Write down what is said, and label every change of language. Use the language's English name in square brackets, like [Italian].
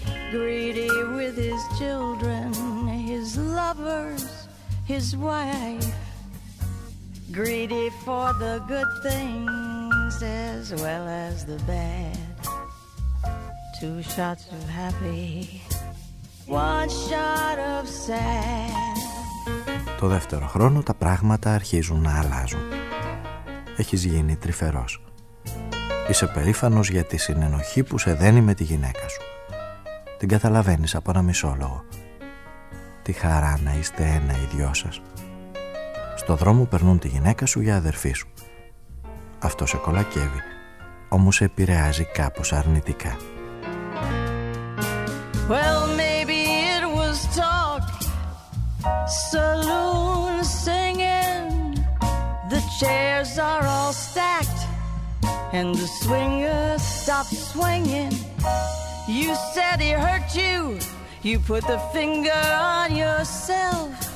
[English] Greedy with his children, his lovers, his wife. Greedy for the good things as well as the bad. Two shots of happy, one shot of sad. [Greek] Το δεύτερο χρόνο τα πράγματα αρχίζουν να αλλάζουν. Έχεις γίνει τρυφερός. Είσαι περήφανος για τη συνενοχή που σε δένει με τη γυναίκα σου. Την καταλαβαίνεις από ένα μισό λόγο. Τι χαρά να είστε ένα οι δυο σας. Στο δρόμο περνούν τη γυναίκα σου για αδερφή σου. Αυτό σε κολακεύει, όμως σε επηρεάζει κάπως αρνητικά. [English] Well, maybe it was talk, saloon singing. The chairs are all stacked and the swinger stopped swinging. You said he hurt you, you put the finger on yourself.